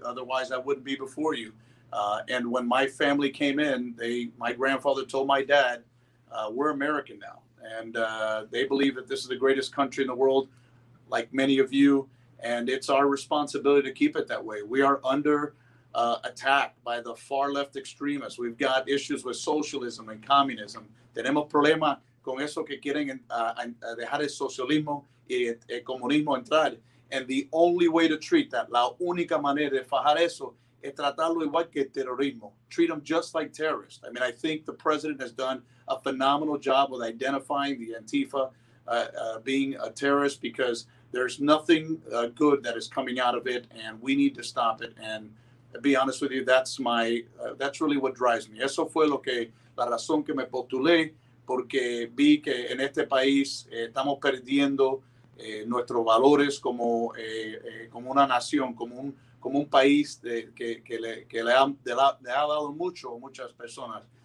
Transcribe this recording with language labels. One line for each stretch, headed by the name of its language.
English: Otherwise, I wouldn't be before you. And when my family came in, my grandfather told my dad, "We're American now," and they believe that this is the greatest country in the world, like many of you. And it's our responsibility to keep it that way. We are under attack by the far left extremists. We've got issues with socialism and communism.
Spanish: Tenemos problema con eso que quieren dejar el socialismo y el comunismo entrar. And the only way to treat that, la única manera de fajar eso, es tratarlo igual que terrorismo.
English: Treat them just like terrorists. I mean, I think the president has done a phenomenal job with identifying the Antifa being a terrorist, because there's nothing good that is coming out of it, and we need to stop it. And to be honest with you, that's really what drives me.
Spanish: Eso fue la razón que me postulé, porque vi que en este país estamos perdiendo nuestros valores como una nación, como un país que le ha dado mucho a muchas personas.